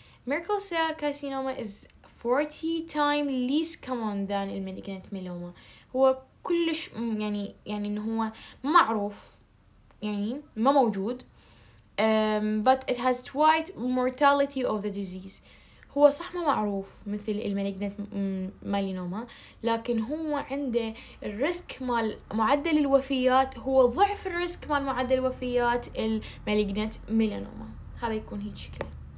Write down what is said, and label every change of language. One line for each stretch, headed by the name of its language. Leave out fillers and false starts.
English: Merkel cell carcinoma is 40 times less common than malignant myeloma.
Arabic: هو كلش يعني انه هو معروف، يعني ما موجود.
English: But it has twice mortality of the disease.
Arabic: هو صح ما معروف مثل المالينجنت مالينوما، لكن هو عنده الريسك مال معدل الوفيات هو ضعف الريسك مال معدل الوفيات المالينجنت ميلانوما. هذا يكون هيك شكله.